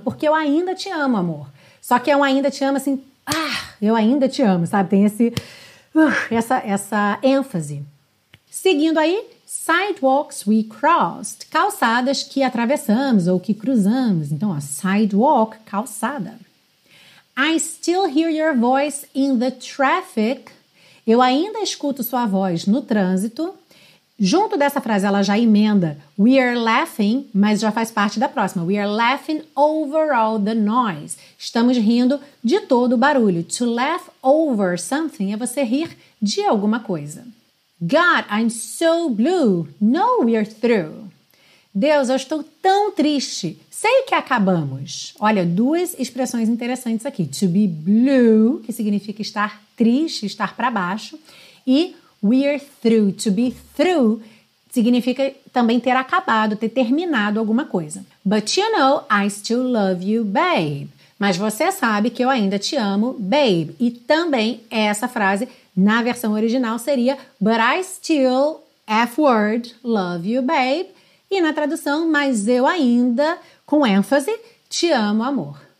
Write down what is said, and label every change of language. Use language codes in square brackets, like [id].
[pt] Porque eu ainda te amo, amor. Só que é um ainda te amo assim, ah, eu ainda te amo, sabe? Tem esse, essa ênfase. Seguindo aí, [en] sidewalks we crossed, [pt] calçadas que atravessamos ou que cruzamos. Então, ó, sidewalk, calçada. [en] I still hear your voice in the traffic. [pt] Eu ainda escuto sua voz no trânsito. Junto dessa frase, ela já emenda [en] we are laughing, [pt] mas já faz parte da próxima. [en] We are laughing over all the noise. [pt] Estamos rindo de todo o barulho. [en] To laugh over something [pt] é você rir de alguma coisa. [en] God, I'm so blue. No, we're through. [pt] Deus, eu estou tão triste. Sei que acabamos. Olha, duas expressões interessantes aqui. To be blue, que significa estar triste, estar para baixo. E [en] we're through. To be through [pt] significa também ter acabado, ter terminado alguma coisa. [en] But you know, I still love you, babe. [pt] Mas você sabe que eu ainda te amo, babe. E também essa frase na versão original seria [en] But I still, F word, love you, babe. [pt] E na tradução, mas eu ainda, com ênfase, te amo, amor.